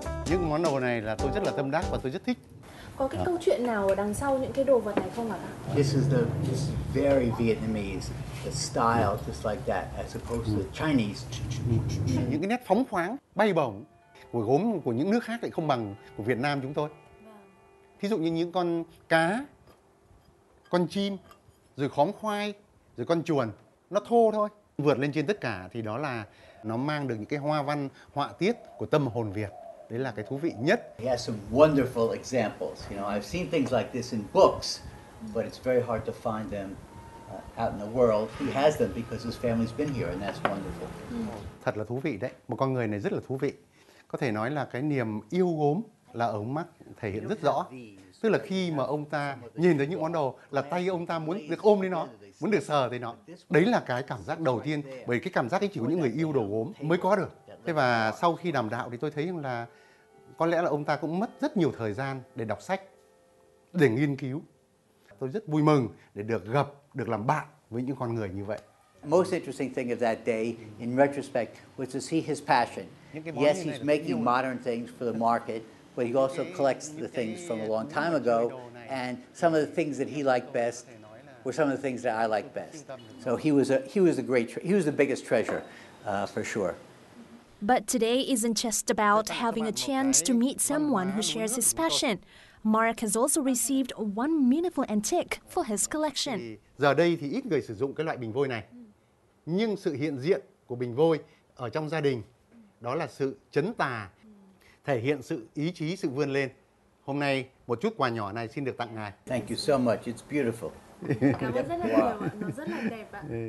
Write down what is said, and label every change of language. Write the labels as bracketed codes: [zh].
[vi] Những món đồ này là tôi rất là tâm đắc và tôi rất thích. Có cái câu chuyện nào ở đằng sau những cái đồ vật này không ạ? [en] This is very Vietnamese, the style just like that, as opposed to the Chinese. [vi] Những cái nét phóng khoáng, bay bổng của gốm của những nước khác lại không bằng của Việt Nam chúng tôi. Thí dụ như những con cá, con chim, rồi khóm khoai, rồi con chuồn, nó thô thôi. Vượt lên trên tất cả thì đó là nó mang được những cái hoa văn, họa tiết của tâm hồn Việt. Đấy là cái thú vị nhất. [en] He has some wonderful examples. You know, I've seen things like this in books, but it's very hard to find them out in the world. He has them because his family's been here, and that's wonderful. [vi] Thật là thú vị đấy. Một con người này rất là thú vị. Có thể nói là cái niềm yêu gốm là ở mắt thể hiện rất rõ. Tức là khi mà ông ta nhìn thấy những món đồ là tay ông ta muốn được ôm lấy nó, muốn được sờ lấy nó. Đấy là cái cảm giác đầu tiên, bởi cái cảm giác ấy chỉ có những người yêu đồ gốm mới có được. Thế và sau khi đàm đạo thì tôi thấy rằng là có lẽ là ông ta cũng mất rất nhiều thời gian để đọc sách, để nghiên cứu. Tôi rất vui mừng để được gặp, được làm bạn với những con người như vậy. [en] Most interesting thing of that day, in retrospect, was to see his passion. Yes, he's making modern things for the market, but he also collects the things from a long time ago, and some of the things that he liked best were some of the things that I liked best. So he was the biggest treasure, for sure. But today isn't just about having a chance to meet someone who shares his passion. Mark has also received one meaningful antique for his collection. [vi] Giờ đây thì ít người sử dụng cái loại bình vôi này. Nhưng sự hiện diện của bình vôi ở trong gia đình đó là sự chấn tà, thể hiện sự ý chí, sự vươn lên. Hôm nay một chút quà nhỏ này xin được tặng ngài. [en] Thank you so much. It's beautiful. [vi] Cảm ơn rất là nhiều. Nó rất là đẹp ạ.